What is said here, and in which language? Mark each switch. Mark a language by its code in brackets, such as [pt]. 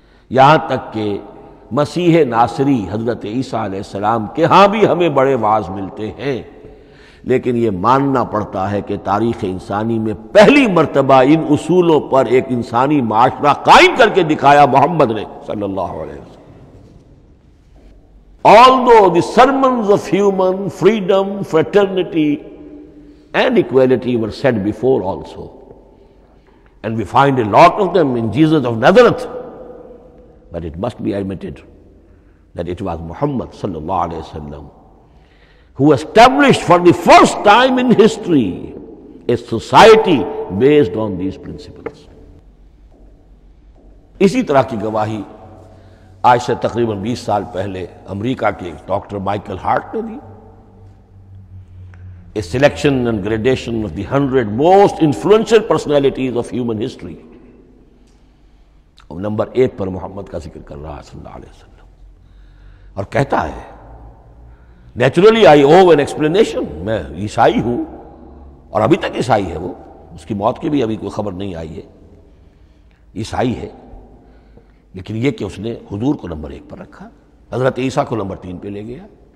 [ur] یہاں تک کہ مسیح ناصری حضرت عیسیٰ علیہ السلام کے ہاں بھی ہمیں بڑے واعظ ملتے ہیں، لیکن یہ ماننا پڑتا ہے کہ تاریخ انسانی میں پہلی مرتبہ ان اصولوں پر ایک انسانی معاشرہ قائم کر کے دکھایا محمد نے صلی اللہ علیہ وسلم. [en] Although the sermons of human freedom, fraternity and equality were said before also, and we find a lot of them in Jesus of Nazareth, but it must be admitted that it was Muhammad sallallahu alaihi wasallam who established for the first time in history a society based on these principles. [ur] Isi tarah ki gawahi آج سے تقریباً 20 سال پہلے امریکہ کے ایک doctor Michael Hart نے دی. [en] a selection and gradation of the 100 most influential personalities of human history, [ur] اب number 1 پر محمد کا ذکر کر رہا ہے صلی اللہ علیہ وسلم، اور کہتا ہے [en] naturally I owe an explanation, [ur] میں عیسائی ہوں اور ابھی تک عیسائی ہے، وہ اس کی موت کی بھی ابھی کوئی خبر نہیں آئی ہے، عیسائی ہے، لیکن یہ کہ اس نے حضور کو نمبر 1 پر رکھا، حضرت عیسیٰ کو نمبر 3 پہ لے گیا،